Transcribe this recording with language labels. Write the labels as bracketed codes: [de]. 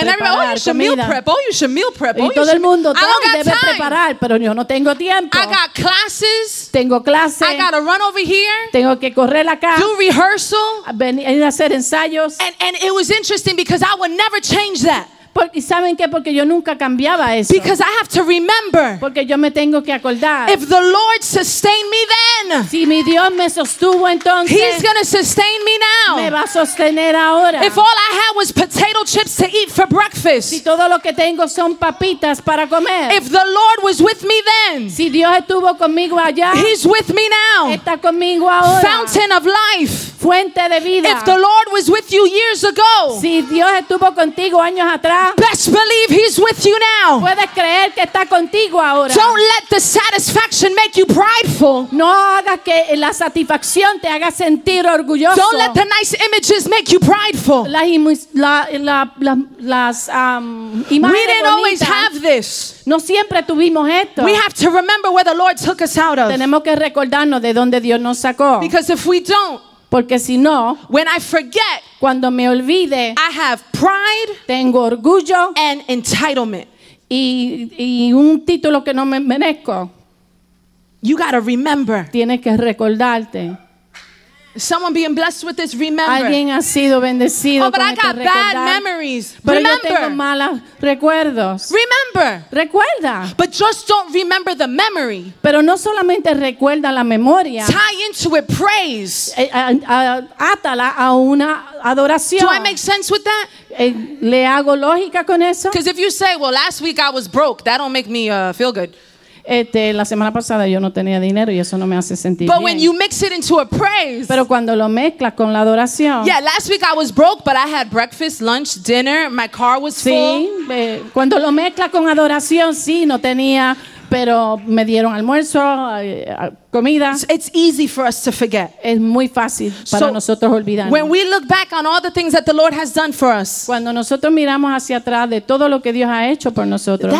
[es] preparar comida. [en] And everybody, oh, you should meal prep. Oh, you should meal prep. Oh, [es] y todo el mundo, [en] I don't [es] debe [en] got time. [es] Preparar, pero yo no tengo tiempo. [en] I got classes. [es] Tengo clases. [en] I gotta run over here. [es] Tengo que correr acá. [en] Do rehearsal. [es] Venir a hacer ensayos. [en] And it was interesting because I would never change that. [es] Porque saben qué, porque yo nunca cambiaba eso. [en] Because I have to remember. [es] Porque yo me tengo que acordar. [en] If the Lord sustained me then. [es] Si mi Dios me sostuvo entonces. [en] He's gonna sustain me now. [es] Me va a sostener ahora. [en] If all I had was potato chips to eat for breakfast. [es] Si todo lo que tengo son papitas para comer. [en] If the Lord was with me then. then, [es] si Dios estuvo conmigo allá, [en] He's with me now. [es] Está conmigo ahora. [en] Fountain of life. [es] Fuente de vida. [en] If the Lord was with you years ago, [es] si Dios estuvo contigo años atrás, [en] best believe He's with you now. [es] Puedes creer que está contigo ahora. [en] Don't let the satisfaction make you prideful. [es] No haga que la satisfacción te haga sentir orgulloso. [en] Don't let the nice images make you prideful. [es] Imágenes [en] we didn't always have this. [es] No siempre tuvimos esto. [en] We have to remember where the Lord took us out of. [es] Tenemos que recordarnos de dónde Dios nos sacó. [en] Because if we don't, [es] porque si no, [en] when I forget, [es] cuando me olvide, [en] I have pride, [es] tengo orgullo, [en] and entitlement, [es] y un título que no me merezco. [en] You gotta remember. [es] Tienes que recordarte. [en] Someone being blessed with this, remember. [es] Alguien ha sido bendecido. [en] Oh, but [es] con [en] I got [es] recordar. [en] Bad memories. [es] Pero [en] remember. [es] Yo tengo malos recuerdos. [en] Remember. [es] Recuerda. [en] But just don't remember the memory. [es] Pero no solamente recuerda la memoria. [en] Tie into it praise. [es] Átala a una adoración. [en] Do I make sense with that? [es] ¿Le hago lógica con eso? [en] Because if you say, well, last week I was broke, that don't make me feel good. [es] La semana pasada yo no tenía dinero y eso no me hace sentir [en] but [es] bien. [en] When you mix it into a praise, [es] pero cuando lo mezclas con la adoración. [en] Yeah, last week I was broke, but I had breakfast, lunch, dinner, my car was [es] sí, [en] full. [es] Cuando lo mezclas con adoración, sí, no tenía, pero me dieron almuerzo, comida. [en] So it's easy for us to forget. [es] Es muy fácil para nosotros olvidar. [en] When we look back on all the things that the Lord has done for us, [es] cuando nosotros miramos hacia atrás de todo lo que Dios ha hecho por nosotros,